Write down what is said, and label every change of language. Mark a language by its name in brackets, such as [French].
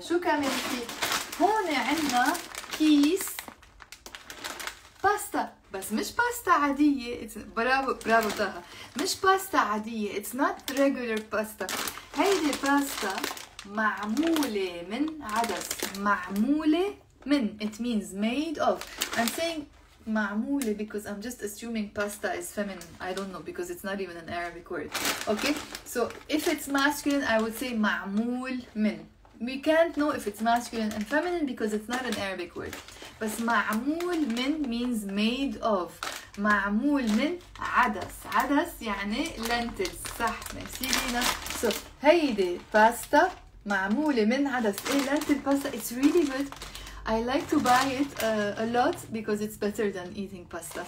[Arabic] شو كمان في؟ هون عندنا كيس باستا. بس مش باستا عادية. برافو طه. مش باستا عادية. [English] It's not regular pasta. [Arabic] هيدي باستا معمولة من عدس. معمولة من. [English] It means made of. I'm saying معمولة because I'm just assuming pasta is feminine. I don't know because it's not even an Arabic word. Okay? So if it's masculine, I would say [Arabic] معمول من. [English] We can't know if it's masculine and feminine because it's not an Arabic word. [Arabic] بس معمول من [English] means made of. [Arabic] معمول من عدس. عدس يعني lentils. صح. ميرسي لينا. So هيدي باستا معمولة من عدس. [English] إيه lentil pasta. It's really good. I like to buy it a lot because it's better than eating pasta.